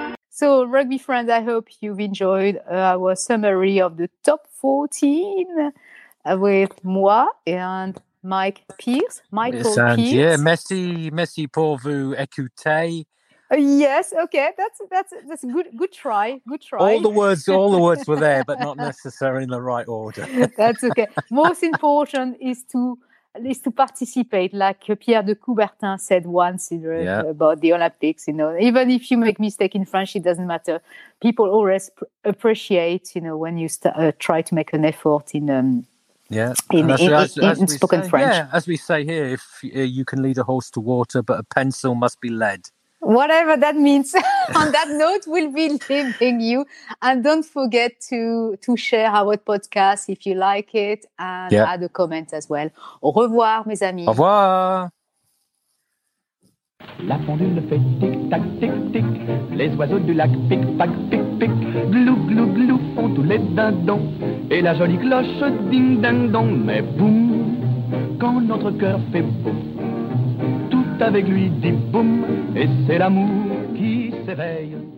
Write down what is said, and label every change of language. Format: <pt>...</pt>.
<en>So, rugby friends, I hope you've enjoyed our summary of the top 14. With moi and Mike Pierce,</en> <fr>merci pour vous écouter.</fr> <en>Yes, okay, that's good try. All the words were there, but not necessarily in the right order. That's okay. Most important is to participate, like Pierre de Coubertin said once about the Olympics. You know, even if you make mistake in French, it doesn't matter. People always appreciate, you know, when you try to make an effort in. French. Yeah, as we say here, if you can lead a horse to water, but a pencil must be led. Whatever that means. On that note, we'll be leaving you. And don't forget to share our podcast if you like it and add a comment as well.</en> <fr>Au revoir, mes amis. Au revoir. La pendule fait tic-tac, tic-tic. Les oiseaux du lac pic-pac, pic-pic. Glou, glou, glou font tous les dindons. Et la jolie cloche ding-ding-dong. Mais boum, quand notre cœur fait boum, tout avec lui dit boum. Et c'est l'amour qui s'éveille.</fr>